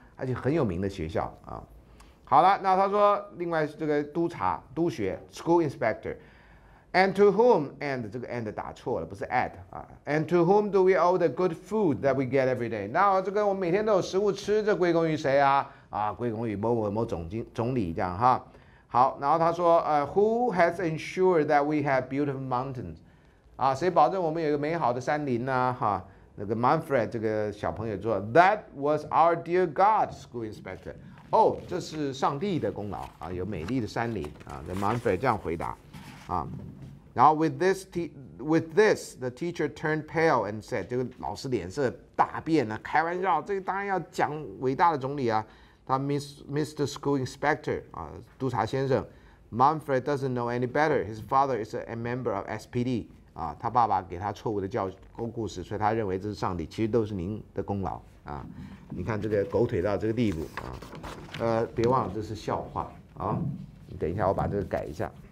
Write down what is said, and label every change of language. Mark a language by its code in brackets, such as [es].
[zh] 而且很有名的学校啊，好了，那他说，另外这个督察、督学 （school inspector）， [en] and to whom and 这个 and 打错了，不是 at 啊 ，and to whom do we owe the good food that we get every day？ [zh] 那这个我每天都有食物吃，这归功于谁啊？啊，归功于某总理这样哈。好，然后他说， [en] who has ensured that we have beautiful mountains？ [zh] 啊，谁保证我们有一个美好的山林呢？哈。那个 Manfred 这个小朋友说 [en] ，That was our dear God, school inspector. [zh] 哦，这是上帝的功劳啊，有美丽的山林啊。那 Manfred 这样回答，啊，然后 [en] with this, the teacher turned pale and said， [zh] 这个老师脸色大变了，开玩笑，这个当然要讲伟大的总理啊。他 Mr. [en] School Inspector [zh] 啊，督察先生 [en] ，Manfred doesn't know any better. His father is a member of SPD。 [zh] 啊，他爸爸给他错误的故事，所以他认为这是上帝，其实都是您的功劳啊！你看这个狗腿到这个地步啊，别忘了这是笑话啊！你等一下，我把这个改一下。